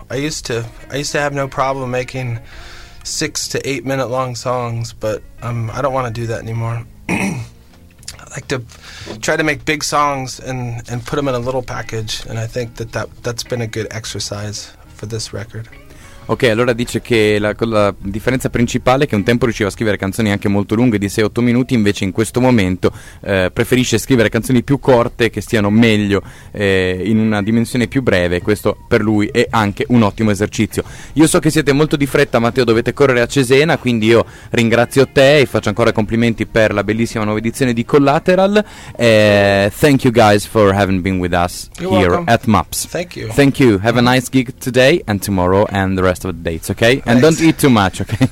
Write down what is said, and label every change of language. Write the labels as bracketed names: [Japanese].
[English] I used to have no problem making 6 to 8 minute long songs, but I don't want to do that anymore. I like to try to make big songs and put them in a little package, and I think that's been a good exercise for this record. [Italian] Ok, allora dice che la differenza principale è che un tempo riusciva a scrivere canzoni anche molto lunghe di 6-8 minuti, invece in questo momento preferisce scrivere canzoni più corte che stiano meglio in una dimensione più breve. Questo per lui è anche un ottimo esercizio. Io so che siete molto di fretta, Matteo, dovete correre a Cesena, quindi io ringrazio te e faccio ancora complimenti per la bellissima nuova edizione di Collateral. [English] Thank you guys for having been with us. You're here welcome. At MAPS. Thank you, have a nice gig today and tomorrow and the rest of the dates, okay? Thanks. And don't eat too much, okay?